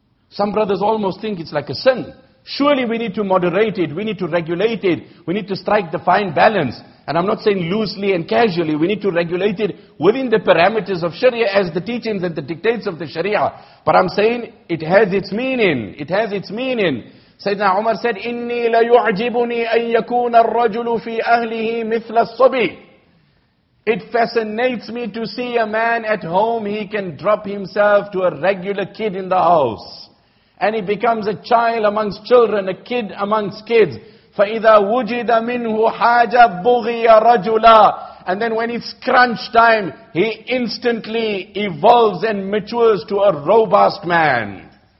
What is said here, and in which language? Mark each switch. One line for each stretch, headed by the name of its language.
English: Some brothers almost think it's like a sin. Surely we need to moderate it, we need to regulate it, we need to strike the fine balance. And I'm not saying loosely and casually, we need to regulate it within the parameters of Sharia as the teachings and the dictates of the Sharia. But I'm saying it has its meaning, it has its meaning. Sayyidina Umar said,
Arabic: إِنِّي لَيُعْجِبُنِي أَن يَكُونَ الرَّجُلُ فِي أَهْلِهِ مِثْلَ الصَّبِي.
English: It fascinates me to see a man at home, he can drop himself to a regular kid in the house. And he becomes a child amongst children, a kid amongst kids.
Arabic: فَإِذَا وُجِدَ مِنْهُ حَاجَ بُغِيَ رَجُلًا.
English: And then when it's crunch time, he instantly evolves and matures to a robust man.